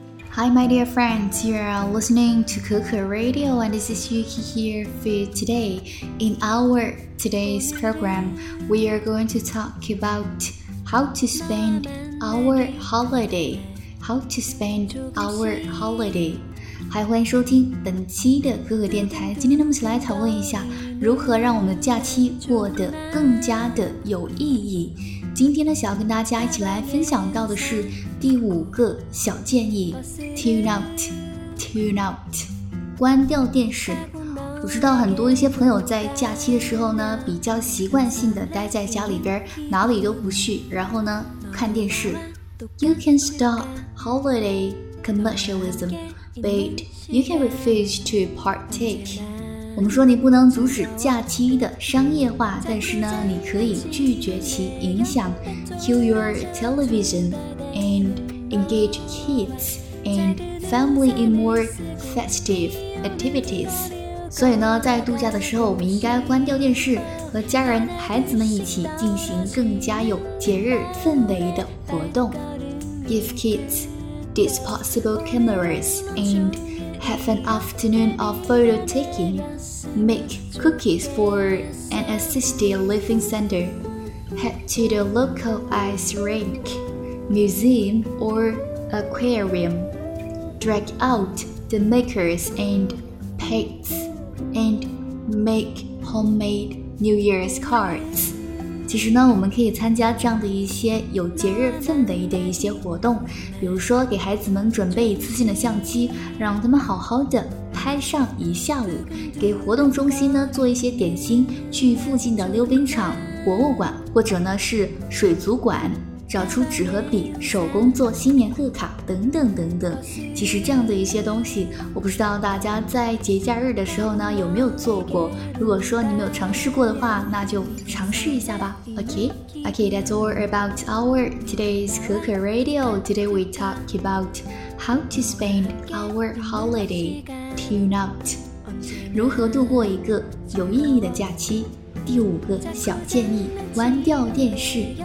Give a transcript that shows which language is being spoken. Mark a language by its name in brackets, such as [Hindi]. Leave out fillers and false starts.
[English] Hi, my dear friends, you are listening to Kuku Radio, and this is Yuki here for you today. In our today's program, we are going to talk about how to spend our holiday. How to spend our holiday. [Chinese] 欢迎收听本期的可可电台。今天我们一起来讨论一下如何让我们的假期过得更加的有意义。今天呢，想要跟大家一起来分享到的是第五个小建议 , [English] Tune out, [Chinese] 关掉电视。我知道很多一些朋友在假期的时候呢，比较习惯性的待在家里边，哪里都不去，然后呢看电视。 [English] You can stop holiday commercialism, but you can refuse to partake. [Chinese] 我们说你不能阻止假期的商业化，但是呢，你可以拒绝其影响。 [English] Kill your television and engage kids and family in more festive activities. [Chinese] 所以呢，在度假的时候，我们应该关掉电视，和家人、孩子们一起进行更加有节日氛围的活动。 [English] Give kids disposable cameras and have an afternoon of photo taking. Make cookies for an assisted living center. Head to the local ice rink, museum, or aquarium. Drag out the makers and pets and make homemade New Year's cards. [Chinese] 其实呢，我们可以参加这样的一些有节日氛围的一些活动，比如说给孩子们准备一次性的相机，让他们好好的拍上一下午，给活动中心呢做一些点心，去附近的溜冰场、博物馆或者呢是水族馆，找出纸和笔，手工做新年贺卡等等等等。其实这样的一些东西，我不知道大家在节假日的时候呢有没有做过。如果说你没有尝试过的话，那就尝试一下吧。 [English] Okay, that's all about our today's Kuku Radio. Today we talk about how to spend our holiday. Tune out. [Chinese] 如何度过一个有意义的假期？第五个小建议，关掉电视。